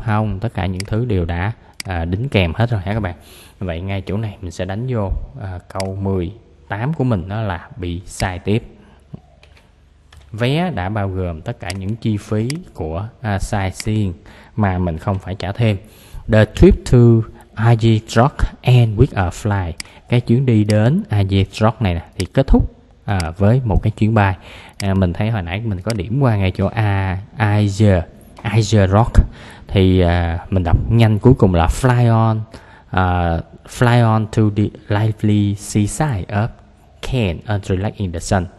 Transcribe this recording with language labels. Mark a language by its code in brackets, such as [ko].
[vi] Không, tất cả những thứ đều đã đính kèm hết rồi hả các bạn. Vậy ngay chỗ này mình sẽ đánh vô câu 18 của mình, đó là bị sai tiếp. Vé đã bao gồm tất cả những chi phí của sightseeing mà mình không phải trả thêm. [en] The trip to Ajitrok end with a flight. [vi] Cái chuyến đi đến Ajitrok này thì kết thúc với một cái chuyến bay. Mình thấy hồi nãy mình có điểm qua ngay chỗ Azure Rock. Thì mình đọc nhanh cuối cùng là [en] Fly on to the lively seaside of Cairns and relax in the sun.